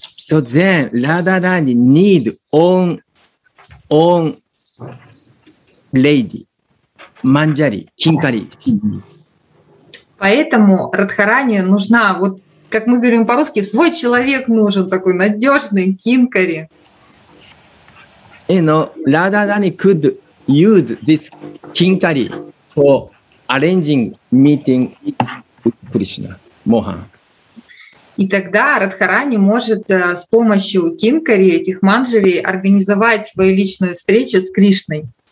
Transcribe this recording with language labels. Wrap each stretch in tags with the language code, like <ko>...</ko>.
<en>So then, Radharani need own lady.</en> <ru>Манджари, Кинкари. Поэтому Радхарани нужна, вот как мы говорим по-русски, свой человек нужен, такой надежный Кинкари.</ru> <en>You know, Radharani could use this Кинкари for arranging meeting with Krishna, Mohan.</en> <ru>И тогда Радхарани может с помощью Кинкари, этих манджари, организовать свою личную встречу с Кришной.</ru>